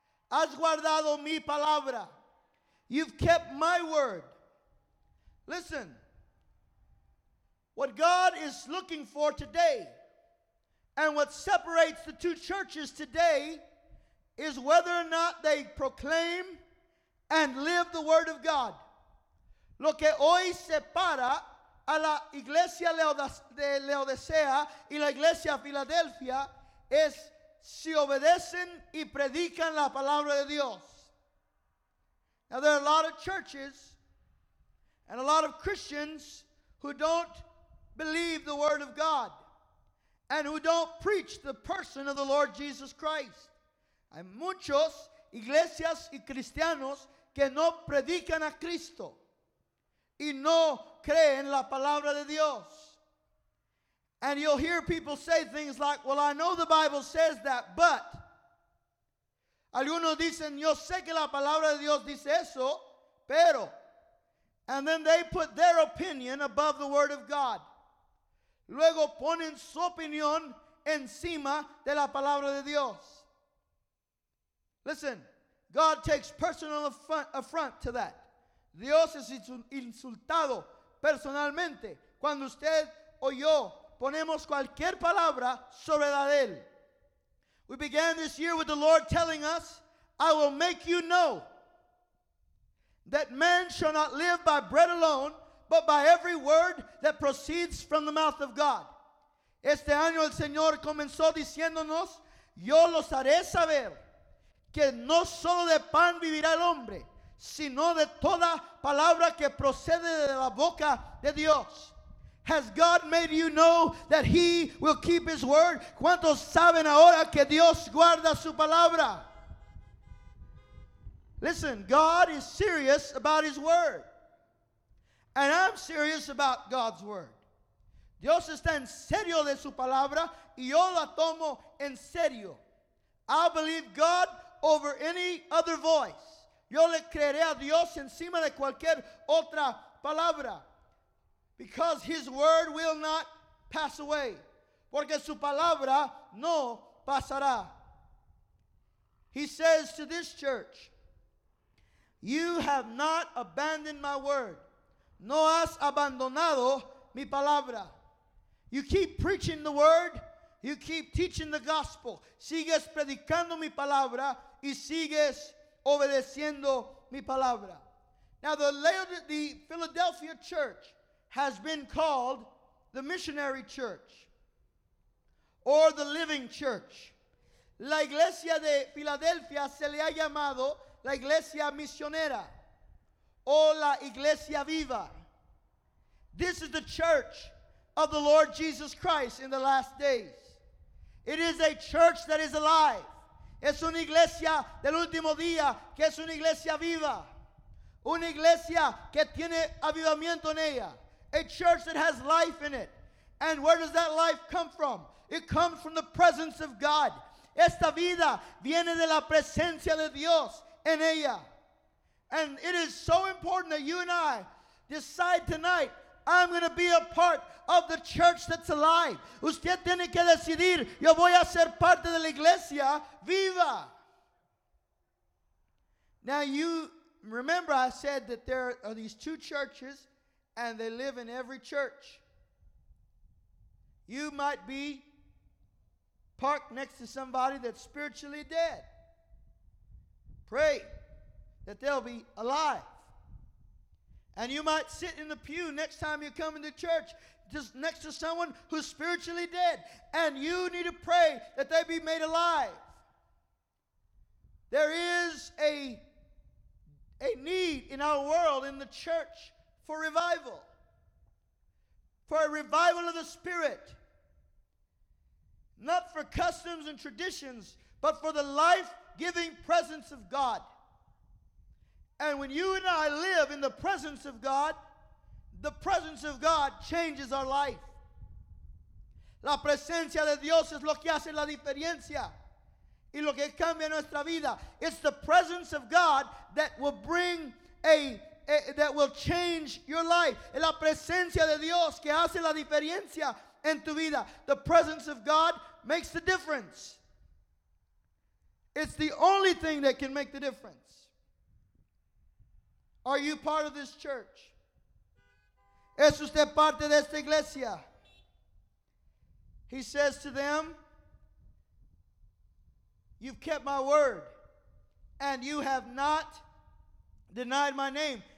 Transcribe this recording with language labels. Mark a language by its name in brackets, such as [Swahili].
[Spanish] Has guardado mi palabra. [English] You've kept my word. Listen. What God is looking for today and what separates the two churches today is whether or not they proclaim and live the word of God. [Spanish] Lo que hoy separa a la iglesia de Laodicea y la iglesia Filadelfia es si obedecen y predican la palabra de Dios. [English] Now there are a lot of churches and a lot of Christians who don't believe the word of God and who don't preach the person of the Lord Jesus Christ. [Spanish] Hay muchos iglesias y cristianos que no predican a Cristo y no creen la palabra de Dios. [English] And you'll hear people say things like, well, I know the Bible says that, but. [Spanish] Algunos dicen, yo sé que la palabra de Dios dice eso, pero. [English] And then they put their opinion above the word of God. [Spanish] Luego ponen su opinión encima de la palabra de Dios. [English] Listen, God takes personal affront to that. [Spanish] Dios es insultado personalmente cuando usted o yo ponemos cualquier palabra sobre la de él. [English] We began this year with the Lord telling us, I will make you know that man shall not live by bread alone, but by every word that proceeds from the mouth of God. [Spanish] Este año el Señor comenzó diciéndonos, yo los haré saber que no solo de pan vivirá el hombre, sino de toda palabra que procede de la boca de Dios. [English] Has God made you know that he will keep his word? [Spanish] ¿Cuántos saben ahora que Dios guarda su palabra? [English] Listen, God is serious about his word. And I'm serious about God's word. [Spanish] Dios está en serio de su palabra y yo la tomo en serio. [English] I believe God over any other voice. [Spanish] Yo le creeré a Dios encima de cualquier otra palabra. [English] Because his word will not pass away. [Spanish] Porque su palabra no pasará. [English] He says to this church, you have not abandoned my word. [Spanish] No has abandonado mi palabra. [English] You keep preaching the word. You keep teaching the gospel. [Spanish] Sigues predicando mi palabra y sigues obedeciendo mi palabra. [English] Now the Philadelphia church has been called the missionary church or the living church. [Spanish] La iglesia de Filadelfia se le ha llamado la iglesia misionera o la iglesia viva. [English] This is the church of the Lord Jesus Christ in the last days. It is a church that is alive. [Spanish] Es una iglesia del último día que es una iglesia viva. Una iglesia que tiene avivamiento en ella. [English] A church that has life in it. And where does that life come from? It comes from the presence of God. [Spanish] Esta vida viene de la presencia de Dios en ella. [English] And it is so important that you and I decide tonight, I'm going to be a part of the church that's alive. [Spanish] Usted tiene que decidir, yo voy a ser parte de la iglesia viva. [English] Now you remember I said that there are these two churches and they live in every church. You might be parked next to somebody that's spiritually dead. Pray that they'll be alive. And you might sit in the pew next time you come into church, just next to someone who's spiritually dead. And you need to pray that they be made alive. There is a need in our world, in the church, for revival. For a revival of the Spirit. Not for customs and traditions, but for the life-giving presence of God. And when you and I live in the presence of God changes our life. [Spanish] La presencia de Dios es lo que hace la diferencia y lo que cambia nuestra vida. [English] It's the presence of God that will bring that will change your life. [Spanish] Es la presencia de Dios que hace la diferencia en tu vida. [English] The presence of God makes the difference. It's the only thing that can make the difference. Are you part of this church? [Spanish] ¿Es usted parte de esta iglesia? [English] He says to them, you've kept my word, and you have not denied my name.